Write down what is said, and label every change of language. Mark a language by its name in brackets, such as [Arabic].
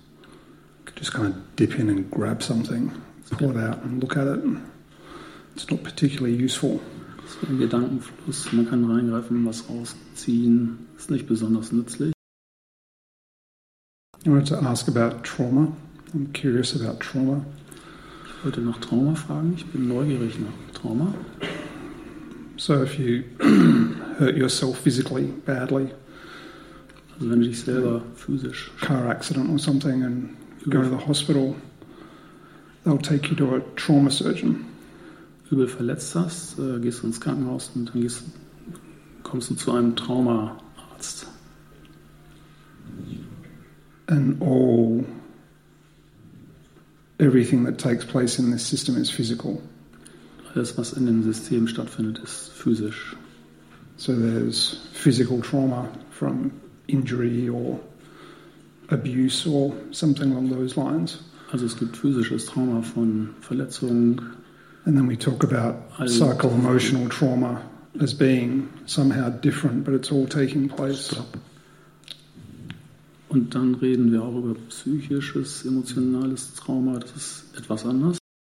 [English] You could just kind of dip in and grab something, pull it out and look at it. It's not particularly useful. [German] Es ist ein Gedankenfluss, man kann reingreifen, was rausziehen. Ist nicht besonders nützlich. [English] I wanted to ask about trauma. I'm curious about trauma. [German] Ich wollte nach Trauma fragen. Ich bin neugierig nach Trauma. [English] So if you hurt yourself physically badly, [German] also wenn du dich selber physisch, [English] car accident or something, and you go to the hospital, they'll take you to a trauma surgeon. [German] Übel verletzt hast, gehst du ins Krankenhaus und dann kommst du zu einem Traumaarzt. [English] And everything that takes place in this system is physical. [German] Alles, was in dem System stattfindet, ist physisch. [English] So there's physical trauma from injury or abuse or something along those lines. [German] Also es gibt physisches Trauma von Verletzung. [English] And then we talk about psycho-emotional trauma as being somehow different, but it's all taking place. Stop. [German] Und dann reden wir auch über psychisches, emotionales Trauma, das ist etwas anders.